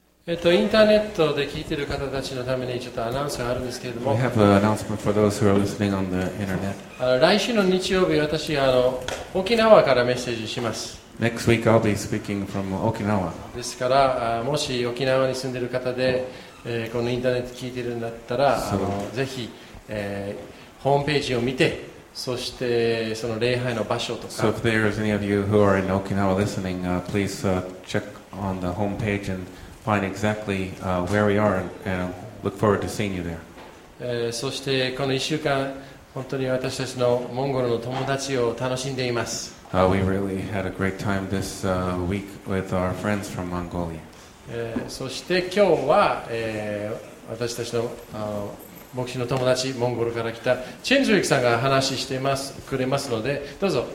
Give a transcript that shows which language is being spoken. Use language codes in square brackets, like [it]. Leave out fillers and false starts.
[ja] インターネットで聞いている方たちのためにちょっとアナウンスがあるんですけれども。 [en] We have an announcement for those who are listening on the internet. [ja] 来週の日曜日、私沖縄からメッセージします。 [en] Next week I'll be speaking from Okinawa. [ja] ですから、もし沖縄に住んでいる方で、このインターネット聞いているんだったら、ぜひ、ホームページを見て、そしてその礼拝の場所とか。 [en] So if there is any of you who are in Okinawa listening, please check on the homepage and find exactly where we are and look forward to seeing you there. [ja] そしてこの1週間本当に私たちのモンゴルの友達を楽しんでいます。 [en] We really had a great time this week with our friends from Mongolia. [ja] そして今日は、私たちの牧師の友達モンゴルから来たチェンジュウィクさんが話してますくれますのでどうぞ。